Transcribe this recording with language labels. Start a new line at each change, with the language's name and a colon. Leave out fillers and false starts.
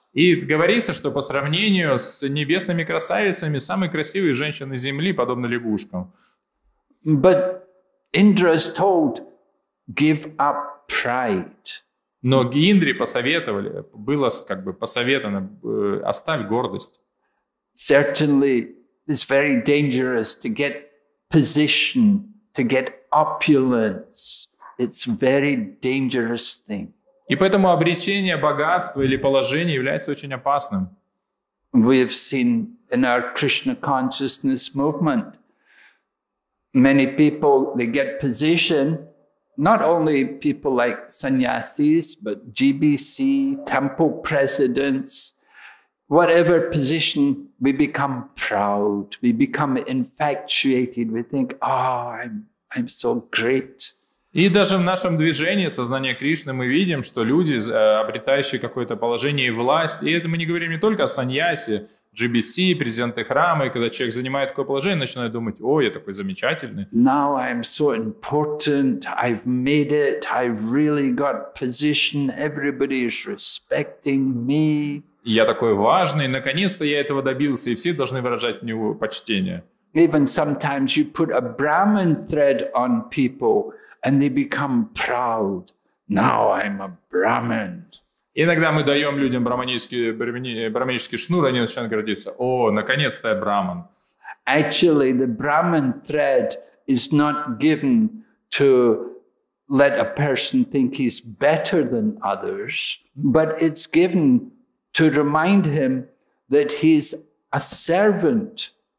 Russian: И говорится, что по сравнению с небесными красавицами, самые красивые женщины Земли подобны лягушкам.
English: But Indra is told, give up pride.
Russian: Но Индре посоветовали, было как бы посоветовано, оставь гордость.
English: Certainly, it's very dangerous to get position, to get opulence. It's very dangerous thing.
Russian: И поэтому обретение богатства или положения является очень опасным.
English: We have seen in our Krishna consciousness movement, many people, they get position, not only people like sannyasis, but GBC, temple presidents, whatever position, we become proud, we become infatuated, we think, I'm so great.
Russian: И даже в нашем движении сознания Кришны мы видим, что люди, обретающие какое-то положение и власть, и это мы не говорим не только о саньясе, GBC, президенты храма, и когда человек занимает такое положение, начинает думать, о, я такой замечательный.
English: Now I'm so important, I've made it, I've really got position, everybody is respecting me.
Russian: Я такой важный, наконец-то я этого добился, и все должны выражать мне почтение.
English: Even sometimes you put a Brahmin thread on people, and they become proud. Now I'm a Brahmin.
Russian: Иногда мы даем людям брахманический шнур, они начинают гордиться. О, наконец-то я Брахман.
English: Actually, the Brahmin thread is not given to let a person think he's better than others, but it's given to remind him that he's a servant.